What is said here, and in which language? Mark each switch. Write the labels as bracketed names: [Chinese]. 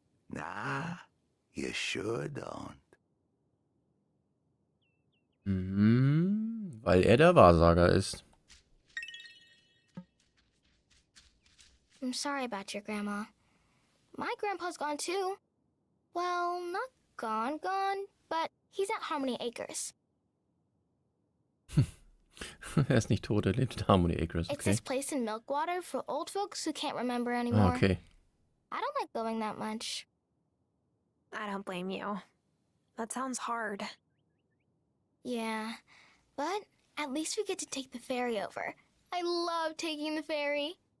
[English] Nah, you sure don't. [German] Weil der Wahrsager ist. [English] I'm sorry about your grandma. My grandpa's gone too. Well, not gone, gone, but he's at Harmony Acres. [German] Er ist nicht tot, er lebt in Harmony Acres. [English] Okay. It's this place in Milkwater for old folks who can't remember anymore. Ah, okay. I don't like going that much. I don't blame you. That sounds hard. Yeah, but at least we get to take the ferry over. I love taking the ferry.